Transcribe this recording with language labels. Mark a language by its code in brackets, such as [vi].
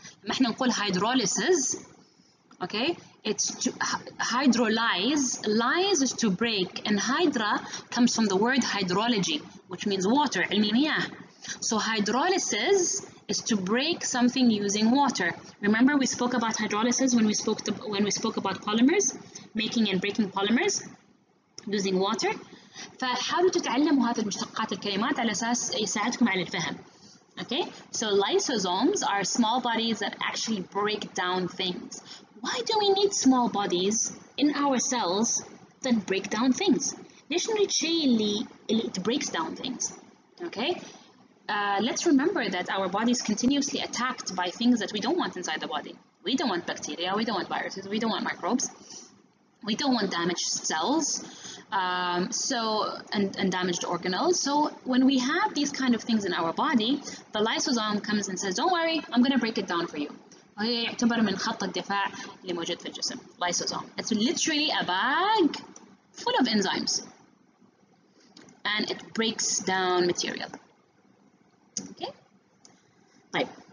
[ar] لما احنا نقول [en] hydrolysis, okay, it's to hydrolyze, lice is to break, and hydra comes from the word hydrology, which means water, [ar] علم المياه. [en] So hydrolysis is to break something using water. Remember we spoke about hydrolysis when we spoke about polymers, making and breaking polymers using water. [ar] فحاولوا تتعلموا هذه المشتقات الكلمات على أساس يساعدكم على الفهم. [en] Okay, so lysosomes are small bodies that actually break down things. Why do we need small bodies in our cells that break down things? [ar] ليش نريد شيء اللي [en] it breaks down things? Okay, let's remember that our body is continuously attacked by things that we don't want inside the body. We don't want bacteria, we don't want viruses, we don't want microbes, we don't want damaged cells. So damaged organelles. So when we have these kind of things in our body, the lysosome comes and says, "Don't worry, I'm going to break it down for you." [ar] هي يعتبر من خط الدفاع اللي موجود في الجسم. [en] Lysosome. It's literally a bag full of enzymes, and it breaks down material. Okay. طيب.